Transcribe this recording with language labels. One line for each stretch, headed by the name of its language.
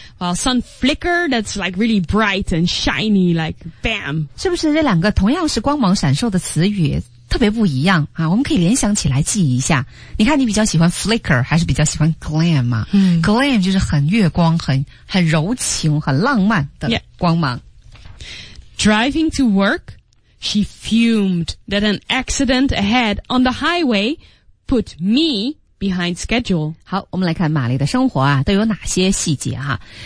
English: While sun flicker, that's like really bright and shiny, like bam.
Chinese: 是不是这两个同样是光芒闪烁的词语特别不一样啊，我们可以联想起来记一下。你看你比较喜欢 flicker 还是比较喜欢 glam 嘛、glam 就是很月光很柔情很浪漫的光芒、
English: Driving to work, she fumed that an accident ahead on the highway put me behind schedule.
Chinese: 好我们来看玛丽的生活啊都有哪些细节啊。